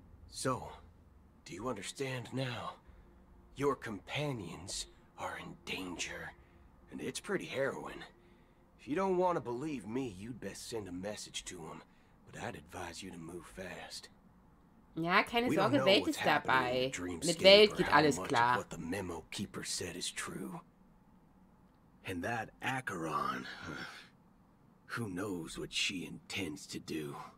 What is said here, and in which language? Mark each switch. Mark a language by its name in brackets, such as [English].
[English] So, do you understand now? Your companions are in danger, and it's pretty harrowing. If you don't want to believe me, you'd best send a message to him. But I'd advise you to move fast. [German] Ja, keine Sorge, Welt ist dabei. Mit Welt geht alles klar. [English] What the memo keeper said is true. And that Acheron, who knows what she intends to do.